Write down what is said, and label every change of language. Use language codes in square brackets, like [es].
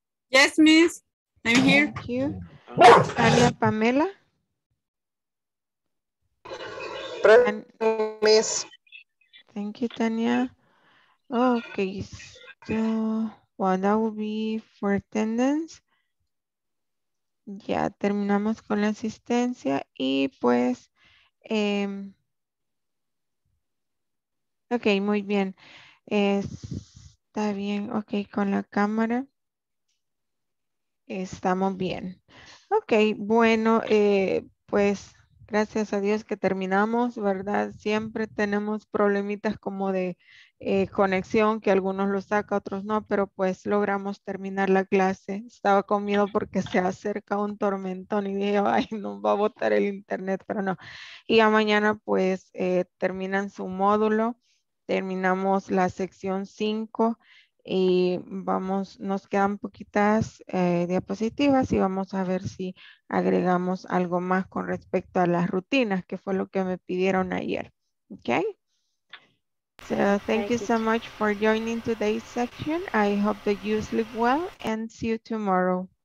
[en] Yes, miss. I'm here. Thank you. Carla Pamela. Thank you, Tania. Okay, so, well, that will be for attendance. [es] Ya terminamos con la asistencia y pues, okay, muy bien. Está bien, okay, con la cámara. Estamos bien. Okay, bueno, pues, gracias a Dios que terminamos, ¿verdad? Siempre tenemos problemitas como de conexión, que algunos lo saca, otros no, pero pues logramos terminar la clase. Estaba con miedo porque se acerca un tormentón y dije, ay, no va a botar el internet, pero no. Y ya mañana pues terminan su módulo, terminamos la sección 5 y vamos, nos quedan poquitas diapositivas y vamos a ver si agregamos algo más con respecto a las rutinas, que fue lo que me pidieron ayer. [en] Okay. So thank you so much for joining today's section. I hope that you sleep well and see you tomorrow.